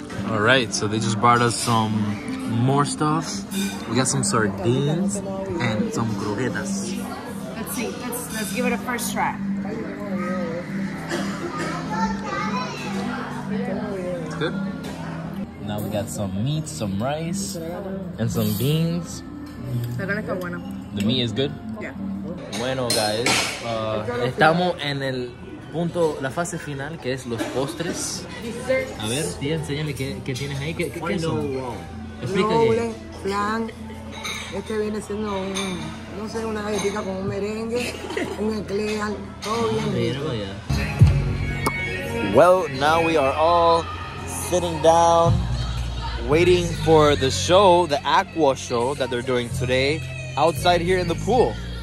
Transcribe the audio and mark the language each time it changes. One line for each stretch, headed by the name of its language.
English: All right, so they just brought us some more stuff. We got some sardines and some croquetas. Let's see. Let's give it a first try. Good. Now we got some meat, some rice, and some beans. The meat is good? Yeah.
Spanish: Bueno, guys. Estamos en el punto, la fase final, que es los postres. A ver, tía, enséñame qué tienes ahí. ¿Qué son? Explica. Noble, flan. Este viene siendo no sé, una galletita con un merengue, un eclair, todo bien.
English: Well, now we are all sitting down, waiting for the show, the aqua show that they're doing today, outside here in the pool.